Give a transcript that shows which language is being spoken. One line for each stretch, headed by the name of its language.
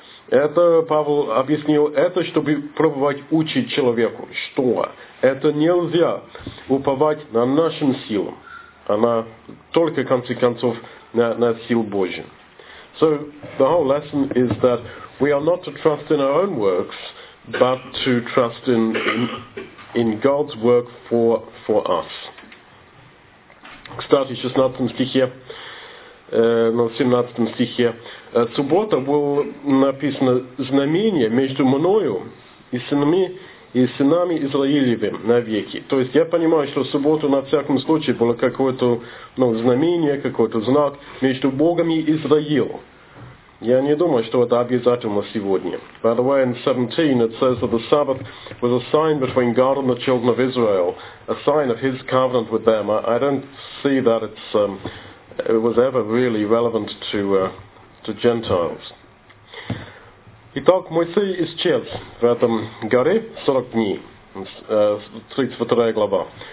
Russian: Это Павел объяснил, это чтобы пробовать учить человеку, что это нельзя уповать на нашим силам, а на только, в конце концов, на сил Божий.
English: So the whole lesson is that we are not to trust in our own works, but to trust in God's work for us.
Russian: Кстати, 16 стихе. на 17 стихе. Суббота было написано знамение между мною и сынами Израилевым навеки. То есть я понимаю, что суббота на всяком случае было какое-то знамение, какой-то знак между Богом и Израилем. Я не думаю, что это обязательно сегодня.
English: By the way, in 17 it says that the Sabbath was a sign between God and the children of Israel, a sign of His covenant with them. I don't see that it was ever really relevant to Gentiles.
Russian: Итак, Моисей исчез в этом горе 40 дней, 32 глава.